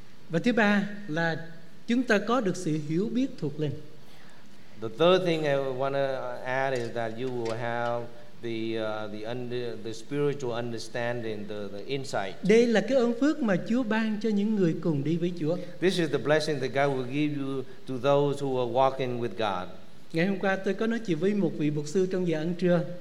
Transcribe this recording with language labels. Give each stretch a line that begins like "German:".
Vietnamese: Và thứ ba là chúng ta có được sự hiểu biết thuộc linh.
English: The third thing I want to add is that you will have the spiritual understanding, the insight.
Vietnamese: Đây là cái ơn phước mà Chúa ban cho những người cùng đi với Chúa.
English: This is the blessing that God will give you to those who are walking with God.
Vietnamese: Ngày hôm qua tôi có nói chuyện với một vị mục sư trong giờ ăn trưa.